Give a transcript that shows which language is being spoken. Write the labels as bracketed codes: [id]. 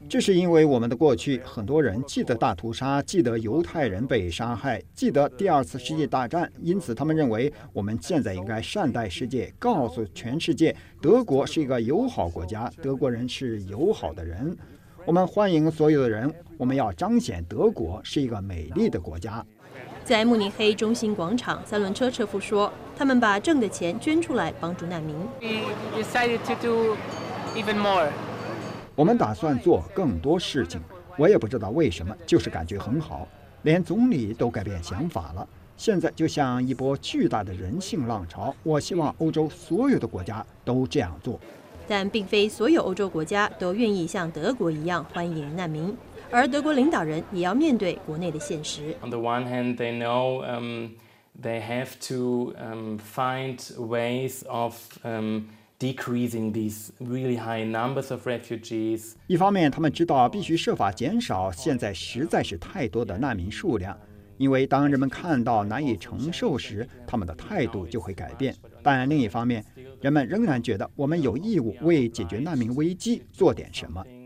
[zh] 这是因为我们的过去，很多人记得大屠杀，记得犹太人被杀害，记得第二次世界大战，因此他们认为我们现在应该善待世界，告诉全世界德国是一个友好国家，德国人是友好的人，我们欢迎所有的人，我们要彰显德国是一个美丽的国家。在慕尼黑中心广场，三轮车车夫说他们把挣的钱捐出来帮助难民。 [en] We decided to do even more. [zh] 我们打算做更多事情，我也不知道为什么，就是感觉很好，连总理都改变想法了。现在就像一波巨大的人性浪潮，我希望欧洲所有的国家都这样做。但并非所有欧洲国家都愿意像德国一样欢迎难民，而德国领导人也要面对国内的现实。 [en] On the one hand, they know, they have to, find ways of, decreasing these really high numbers of refugees. [zh] 一方面，他们知道必须设法减少现在实在是太多的难民数量，因为当人们看到难以承受时，他们的态度就会改变。但另一方面，人们仍然觉得我们有义务为解决难民危机做点什么。